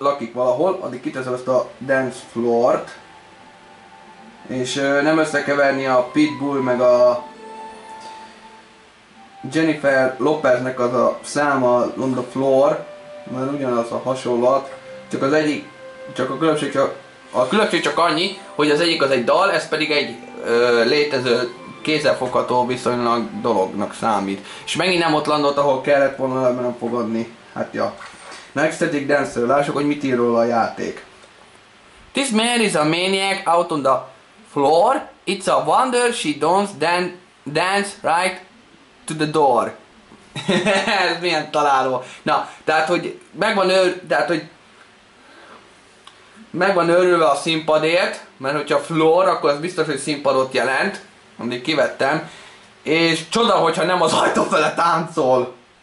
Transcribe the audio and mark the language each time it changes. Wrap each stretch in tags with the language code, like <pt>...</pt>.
<hu>lakik valahol, addig kiteszem ezt a dance floor-t. És nem összekeverni a Pitbull meg a Jennifer Lopeznek az a száma</hu> <en>on the floor,</en> <hu>mert ugyanaz a hasonlat, csak az egyik, csak a különbség csak a különbség csak annyi, hogy az egyik az egy dal, ez pedig egy létező, kézzelfogható viszonylag dolognak számít. És megint nem ott landolt, ahol kellett volna, mert nem fogadni. Hát ja. Na, Ecstatic Dancer, lássuk, hogy mit ír róla a játék.</hu> <en>This man is a maniac out on the floor. It's a wonder she don't dance right to the door.</en> <hu>Ez milyen találó. Na, tehát, hogy megvan ő, tehát, hogy megvan örülve a színpadért, mert hogyha floor, akkor az biztos, hogy színpadot jelent, amit kivettem, és csoda, hogyha nem az ajtó fele táncol.</hu>